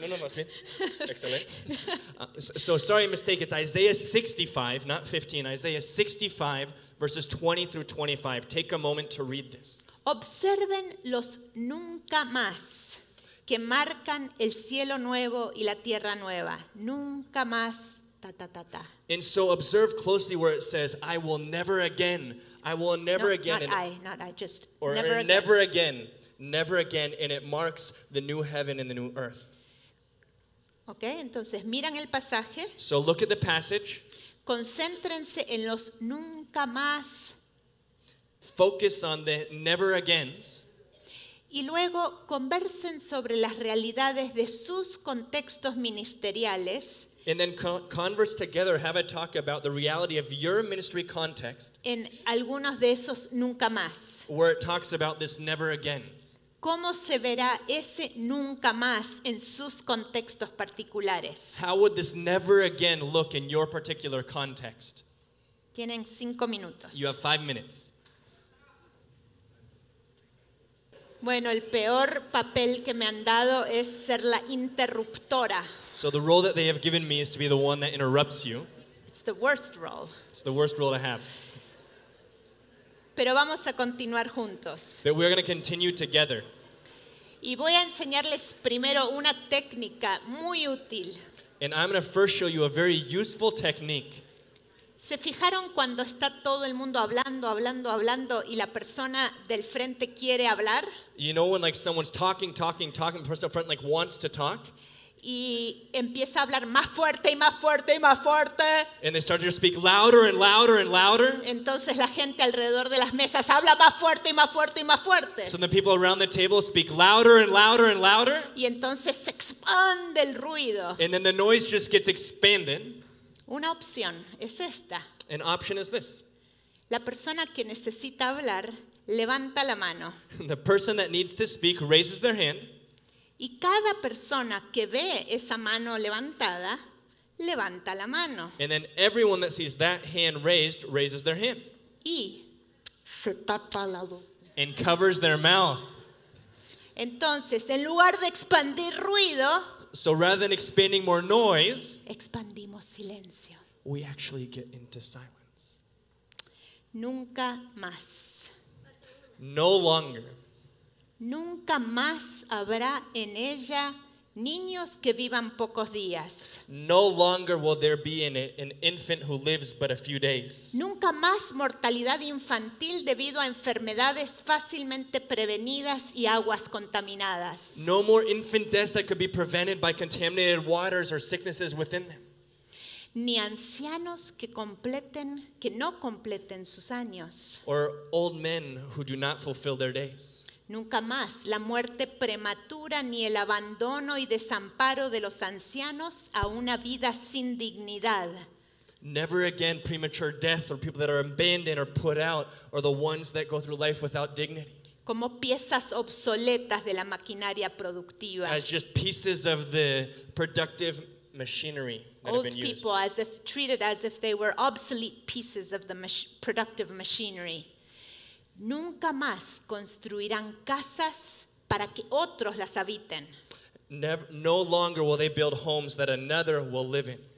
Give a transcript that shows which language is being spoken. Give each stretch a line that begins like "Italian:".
Spanish: No, más bien.
English: Excellent. Sorry, mistake. It's Isaiah 65, not 15. Isaiah 65, verses 20 through 25. Take a moment to read this.
Spanish: Observen los nunca más que marcan el cielo nuevo y la tierra nueva. Nunca más.
English: And so observe closely where it says, I will never again. I will never again. Never again. And it marks the new heaven and the new earth.
Spanish: Okay, entonces miran el pasaje.
English: So look at the passage.
Spanish: Concéntrense en los nunca más.
English: Focus on the never agains.
Spanish: Y luego conversen sobre las realidades de sus contextos ministeriales.
English: And then converse together, have a talk about the reality of your ministry context.
Spanish: En algunos de esos nunca más.
English: Where it talks about this never again.
Spanish: ¿Cómo se verá ese nunca más en sus contextos particulares?
English: How would this never again look in your particular context?
Spanish: Tienen 5 minutos.
English: You have 5 minutes.
Spanish: Bueno, el peor papel que me han dado es ser la interruptora.
English: So the role that they have given me is to be the one that interrupts you. It's the worst role. It's the worst role to have.
Spanish: Pero vamos a continuar juntos.
English: But we're going to continue together.
Spanish: Y voy a enseñarles primero una técnica muy útil.
English: And I'm going to first show you a very useful technique.
Spanish: ¿Se fijaron cuando está todo el mundo hablando y la persona del frente quiere hablar?
English: You know when like someone's talking, the person up front like wants to talk?
Spanish: Y empieza a hablar más fuerte.
English: And they start to speak louder and louder.
Spanish: Entonces la gente alrededor de las mesas habla más fuerte.
English: So the people around the table speak louder and louder.
Spanish: Y entonces se expande el ruido.
English: And then the noise just gets expanded.
Spanish: Una opción es esta.
English: An option is this.
Spanish: La persona que necesita hablar levanta la mano.
English: The person that needs to speak raises their hand.
Spanish: Y cada persona que ve esa mano levantada levanta la mano.
English: And then everyone that sees that hand raised raises their hand.
Spanish: Y se tapa la boca.
English: And covers their mouth.
Spanish: Entonces, en lugar de expandir ruido,
English: so rather than expanding more noise,
Spanish: expandimos silencio.
English: We actually get into silence.
Spanish: Nunca más.
English: No longer.
Spanish: Nunca más habrá en ella niños que vivan pocos días.
English: No longer will there be in it an infant who lives but a few days.
Spanish: Nunca más mortalidad infantil debido a enfermedades fácilmente prevenidas y aguas contaminadas.
English: No more infant deaths that could be prevented by contaminated waters or sicknesses within them.
Spanish: Ni ancianos que no completen sus años.
English: Or old men who do not fulfill their days.
Spanish: Nunca más la muerte prematura ni el abandono y desamparo de los ancianos a una vida sin dignidad.
English: Never again premature death or people that are abandoned or put out or the ones that go through life without dignity.
Spanish: Como piezas obsoletas de la maquinaria productiva.
English: As just pieces of the productive machinery that old have been used. Old people as if treated as if they were obsolete pieces of the productive machinery.
Spanish: Nunca más construirán casas para que otros las habiten.
English: No longer will they build homes that another will live in.